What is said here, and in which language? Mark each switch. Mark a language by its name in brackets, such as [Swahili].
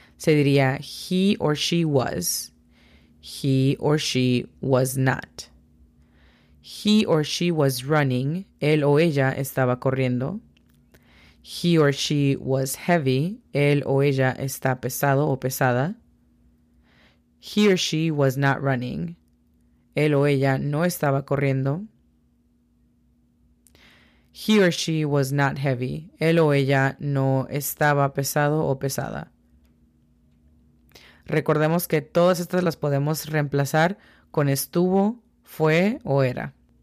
[Spanish] Se diría [English] he or she was. He or she was not. He or she was running. [Spanish] Él o ella estaba corriendo. [English] He or she was heavy. [Spanish] Él o ella está pesado o pesada. [English] He or she was not running. [Spanish] Él o ella no estaba corriendo. [English] He or she was not heavy. [Spanish] Él o ella no estaba pesado o pesada. Recordemos que todas estas las podemos reemplazar con estuvo, fue o era.